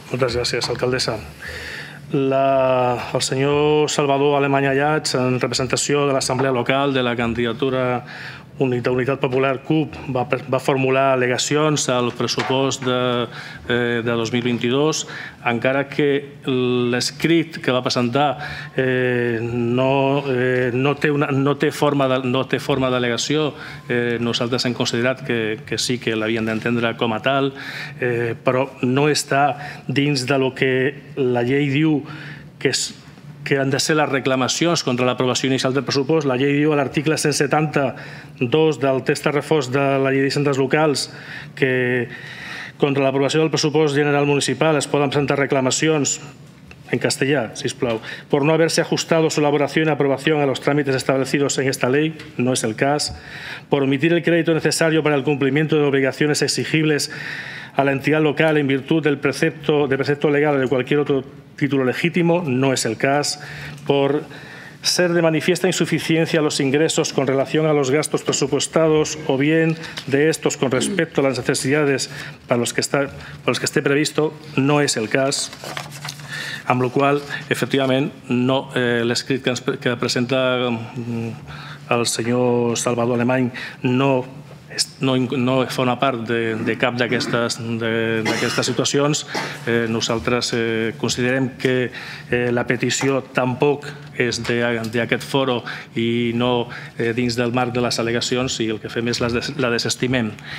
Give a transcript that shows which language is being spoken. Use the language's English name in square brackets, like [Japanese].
[Catalan] Moltes gràcies, alcaldessa. El senyor Salvador Alemany Allats, en representació de l'Assemblea Local de la candidatura d'Unitat Popular CUP, va formular al·legacions al pressupost de 2022, encara que l'escrit que va presentar no té forma d'al·legació. Nosaltres hem considerat que sí que l'havien d'entendre com a tal, però no està dins del que la llei diu que han de ser les reclamacions contra l'aprovació inicial del pressupost. La llei diu a l'article 170.2 del text de reforç de la llei d'hisendes locals que contra l'aprovació del pressupost general municipal es poden presentar reclamacions en castellà, sisplau, [Spanish] por no haberse ajustado su elaboración y aprobación a los trámites establecidos en esta ley, [Catalan] no es el cas, [Spanish] por omitir el crédito necesario para el cumplimiento de obligaciones exigibles a la entidad local en virtud del precepto legal o de cualquier otro título legítimo, no es el cas, por ser de manifiesta insuficiencia los ingresos con relación a los gastos presupuestados o bien de estos con respecto a las necesidades para los que esté previsto, [Catalan] no es el cas. Amb la qual cosa, efectivament, no, l'escrit que presenta el senyor Salvador Alemany no fa una part de cap d'aquestes situacions. Nosaltres considerem que la petició tampoc és d'aquest foro i no dins del marc de les al·legacions, i el que fem és la desestimem.